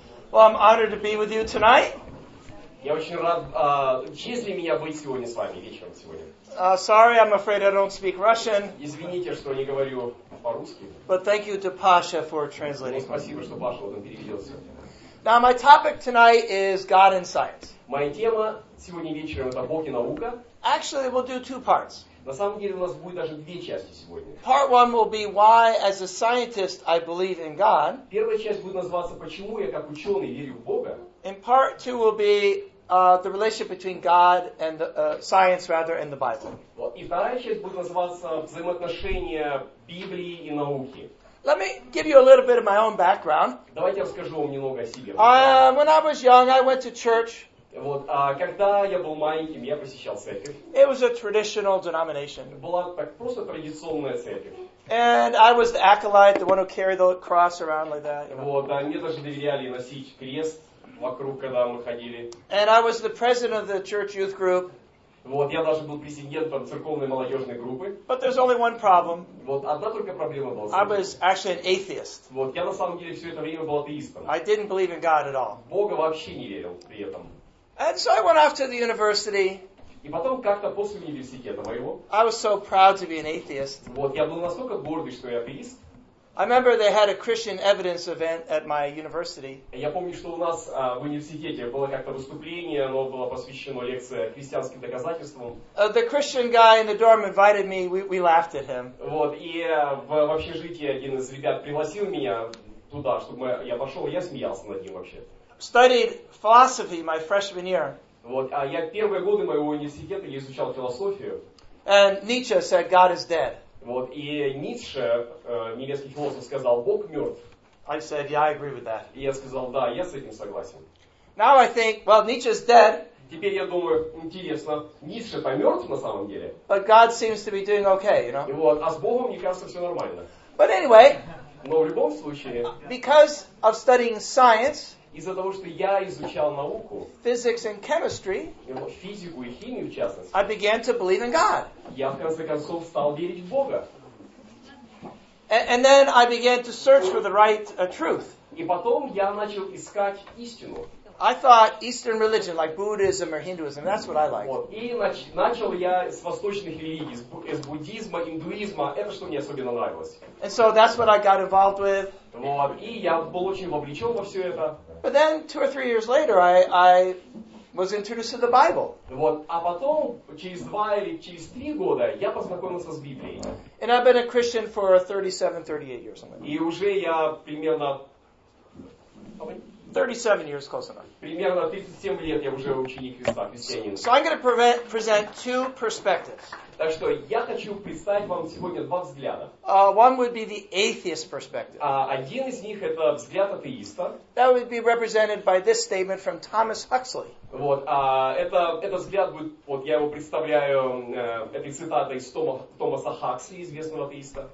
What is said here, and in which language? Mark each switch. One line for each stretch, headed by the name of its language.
English: Well, I'm honored to be with you tonight.
Russian: Я очень рад, честь для меня быть сегодня с вами, вечером сегодня.
English: Sorry, I'm afraid I don't speak Russian.
Russian: Извините, что не говорю по-русски.
English: But thank you to Pasha for translating.
Russian: Спасибо, что Паша вот переведёт всё.
English: Now, my topic tonight is God and science.
Russian: Моя тема сегодня вечером — это Бог и наука.
English: Actually, we'll do two parts.
Russian: На самом деле, у нас будет даже две части сегодня.
English: Part one will be why, as a scientist, I believe in God.
Russian: Первая часть будет называться «Почему я, как ученый, верю в Бога».
English: And part two will be the relationship between God and the, science, rather, and the Bible.
Russian: И вторая часть будет называться «Взаимоотношения Библии и науки».
English: Let me give you a little bit of my own background.
Russian: Давайте я расскажу вам немного о себе.
English: When I was young, I went to church.
Russian: Вот, когда я был маленьким, я посещал церковь.
English: It was a traditional denomination.
Russian: Была так просто традиционная церковь.
English: And I was the acolyte, the one who carried the cross around like that.
Russian: Вот, да, мне даже доверяли носить крест вокруг, когда мы ходили.
English: And I was the president of the church youth group.
Russian: Вот, я даже был президентом церковной молодежной группы.
English: But there's only one problem.
Russian: Вот, одна только проблема была.
English: I was actually an atheist.
Russian: Вот, я на самом деле все это время был атеистом.
English: I didn't believe in God at all.
Russian: Бога вообще не верил при этом.
English: And so I went off to the university.
Russian: И потом как-то после университета моего.
English: I was so proud to be an atheist.
Russian: Вот, я был настолько гордый, что я атеист.
English: I remember they had a Christian evidence event at my university.
Russian: Я помню, что у нас в университете было как-то выступление, оно было посвящено лекция христианским доказательствам.
English: The Christian guy in the dorm invited me. We laughed at him.
Russian: Вот, и в общежитии один из ребят пригласил меня туда, чтобы я пошел, я смеялся над ним вообще.
English: Studied philosophy my freshman year.
Russian: Вот, а я первые годы моего университета я изучал философию.
English: And Nietzsche said God is dead.
Russian: Вот, и Ницше, немецкий философ, сказал: Бог мертв.
English: I said, yeah, I agree with that.
Russian: И я сказал: да, я с этим согласен.
English: Now I think, well, Nietzsche's dead.
Russian: Теперь я думаю, интересно, Ницше-то мертв на самом деле?
English: But God seems to be doing okay, you know?
Russian: И вот, а с Богом, мне кажется, все нормально.
English: But anyway,
Russian: но в любом случае,
English: because of studying science,
Russian: из-за того, что я изучал науку,
English: physics and chemistry,
Russian: физику и химию в частности,
English: I began to believe in God.
Russian: Я в конце концов стал верить в Бога.
English: And then I began to search for the right truth.
Russian: И потом я начал искать истину.
English: I thought Eastern religion, like Buddhism or Hinduism, that's what I like.
Russian: Вот. И начал я с восточных религий, с буддизма, индуизма, это что мне особенно нравилось.
English: And so that's what I got involved with.
Russian: Вот. И я был очень вовлечен во все это.
English: But then, two or three years later, I was introduced to the Bible.
Russian: Вот. А потом, через два или через три года, я познакомился с Библией.
English: And I've been a Christian for 37, 38 years. Something.
Russian: И уже я примерно...
English: 37 years, close enough.
Russian: Примерно 37 лет я уже ученик Христа, христианин.
English: So I'm going to present two perspectives.
Russian: Так что я хочу представить вам сегодня два взгляда.
English: One would be the atheist perspective.
Russian: Один из них — это взгляд атеиста.
English: That would be represented by this statement from Thomas Huxley.
Russian: Вот, это взгляд будет, вот я его представляю этой цитатой из Томаса Хаксли, известного атеиста.